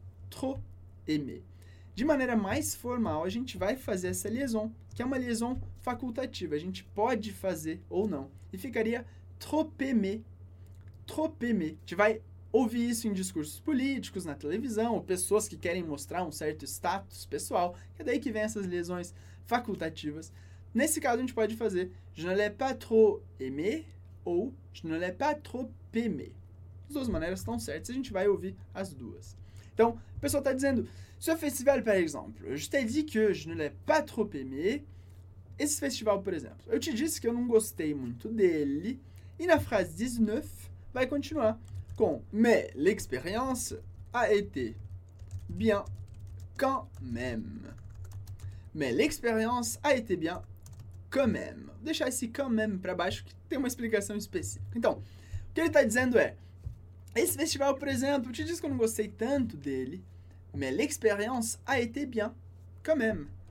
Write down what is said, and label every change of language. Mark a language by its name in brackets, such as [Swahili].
[French] Trop aimé. [Portuguese] De maneira mais formal, a gente vai fazer essa liaison, que é uma liaison facultativa. A gente pode fazer ou não. E ficaria [French] trop aimé. Trop aimé. [Portuguese] A gente vai ouvir isso em discursos políticos, na televisão, ou pessoas que querem mostrar um certo status pessoal, que é daí que vem essas liaisons facultativas. Nesse caso, a gente pode fazer [French] je ne l'ai pas trop aimé [Portuguese] ou je ne l'ai pas trop aimé. As duas maneiras estão certas, a gente vai ouvir as duas. Então, a pessoa está dizendo, [French] ce festival, par exemple, je t'ai dit que je ne l'ai pas trop aimé. [Portuguese] Esse festival, por exemplo, eu te disse que eu não gostei muito dele. E na frase 19, vai continuar com [French] mais l'expérience a été bien quand même. Mais l'expérience a été bien quand même. [Portuguese] Vou deixar esse quand même para baixo que tem uma explicação específica. Então, o que ele está dizendo é, esse festival, por exemplo, te disse que eu não gostei tanto dele, [French] mais l'expérience a été bien quand même.